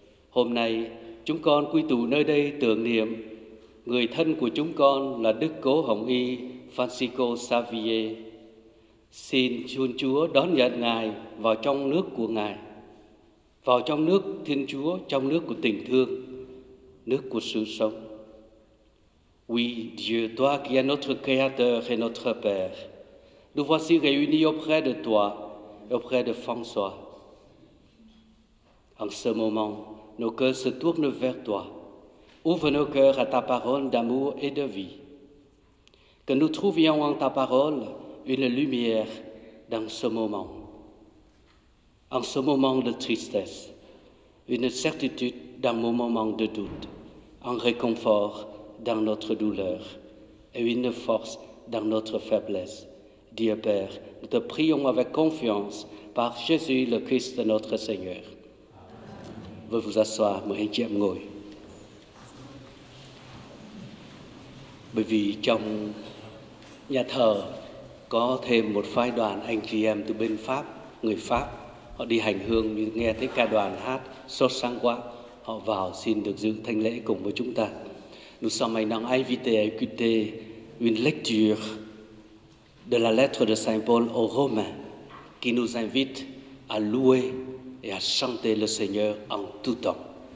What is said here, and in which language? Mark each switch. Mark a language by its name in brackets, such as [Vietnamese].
[Vietnamese] Hôm nay, chúng con quy tụ nơi đây tưởng niệm người thân của chúng con là Đức Cố Hồng Y Francisco Xavier. Xin Thiên Chúa đón nhận Ngài vào trong nước của Ngài, vào trong nước Thiên Chúa, trong nước của tình thương, nước của sự sống. [French] Oui, Dieu, toi qui es notre Créateur et notre Père, nous voici réunis auprès de toi et auprès de François. En ce moment, nos cœurs se tournent vers toi. Ouvre nos cœurs à ta parole d'amour et de vie. Que nous trouvions en ta parole une lumière dans ce moment. En ce moment de tristesse, une certitude dans mon moment de doute, un réconfort dans notre douleur et une force dans notre faiblesse. Dieu Père, nous te prions avec confiance par Jésus le Christ notre Seigneur. Veuillez vous asseoir, [Vietnamese] mời anh chị em ngồi. Bởi vì trong nhà thờ có thêm một phái đoàn anh chị em từ bên Pháp, người Pháp, họ đi hành hương, nghe thấy ca đoàn hát sốt sáng quá, họ vào xin được dự thánh lễ cùng với chúng ta. [French] Nous sommes maintenant invités à écouter une lecture de la lettre de Saint Paul aux Romains qui nous invite à louer et à chanter le Seigneur en tout temps.